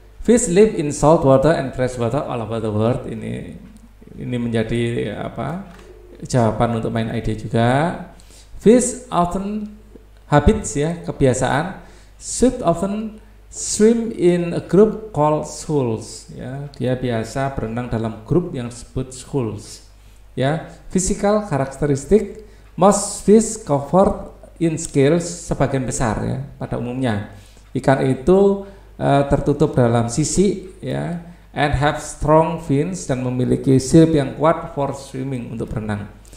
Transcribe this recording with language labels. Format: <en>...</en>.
<en>Fish live in salt water and fresh water all over the world.</en> <id>Ini menjadi apa, jawaban untuk main idea juga.</id> <en>Fish often habits ya,</en> <id>kebiasaan.</id> <en>Should often swim in a group called schools.</en> <id>Ya, dia biasa berenang dalam grup yang disebut schools.</id> <en>Ya, physical characteristic. Most fish covered in scales,</en> <id>sebagian besar ya pada umumnya. Ikan itu tertutup dalam sisi ya,</id> <en>and have strong fins,</en> <id>dan memiliki sirip yang kuat</id> <en>for swimming,</en> <id>untuk berenang.</id>